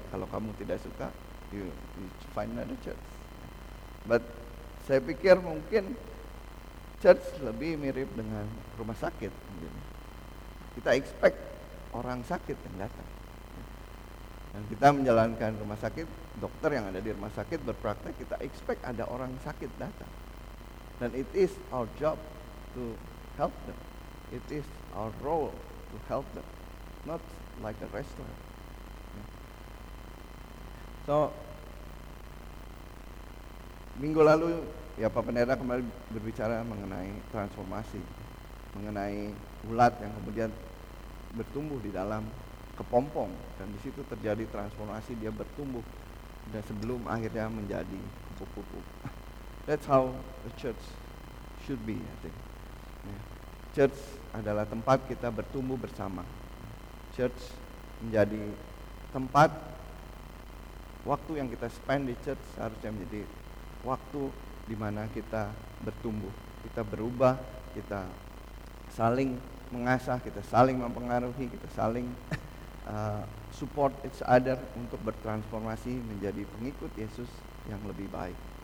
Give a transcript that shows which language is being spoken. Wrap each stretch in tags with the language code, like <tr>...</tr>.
<id>Kalau kamu tidak suka,</id> <en>you find another church. But</en> <id>saya pikir mungkin church lebih mirip dengan rumah sakit. Kita expect orang sakit yang datang. Dan kita menjalankan rumah sakit, dokter yang ada di rumah sakit berpraktek, kita expect ada orang sakit datang.</id> <en>Dan it is our job to help them. It is our role to help them. Not like a restaurant.</en> <id>So, minggu lalu ya Pak Pendeta kembali berbicara mengenai transformasi, mengenai ulat yang kemudian bertumbuh di dalam kepompong, dan di situ terjadi transformasi, dia bertumbuh dan sebelum akhirnya menjadi kupu-kupu.</id> <en>That's how the church should be, I think.</en> <id>Church adalah tempat kita bertumbuh bersama. Church menjadi tempat, waktu yang kita spend di church harusnya menjadi waktu di mana kita bertumbuh, kita berubah, kita saling mengasah, kita saling mempengaruhi, kita saling</id> <en>support each other</en> <id>untuk bertransformasi menjadi pengikut Yesus yang lebih baik.</id>